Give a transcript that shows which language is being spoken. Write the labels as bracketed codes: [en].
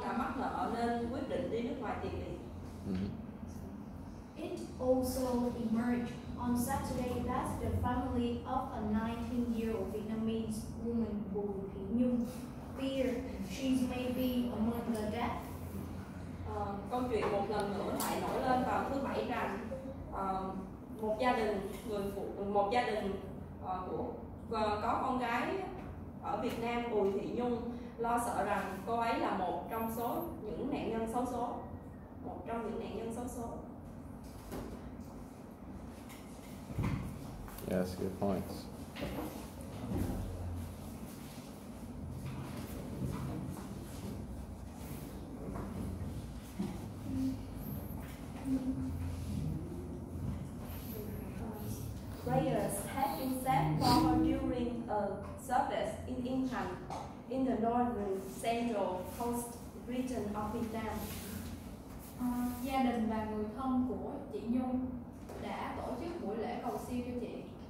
[vi] đã mắc nợ nên quyết định đi nước ngoài tìm việc. [en] It also emerged on Saturday that the family of a 19-year-old Vietnamese woman Bo Thị Nhung fear she may be among the dead. [vi] Công chuyện một lần nữa lại nổi lên vào thứ bảy rằng một gia đình có con gái ở Việt Nam Bo Thị Nhung lo sợ rằng cô ấy là một trong những nạn nhân xấu số. [en] Yes, good points. Prayers have been said for her during a service in Incheon, in the northern central coast region of Vietnam. [vi] Gia đình và người thân của chị Nhung đã tổ chức buổi lễ cầu siêu cho chị.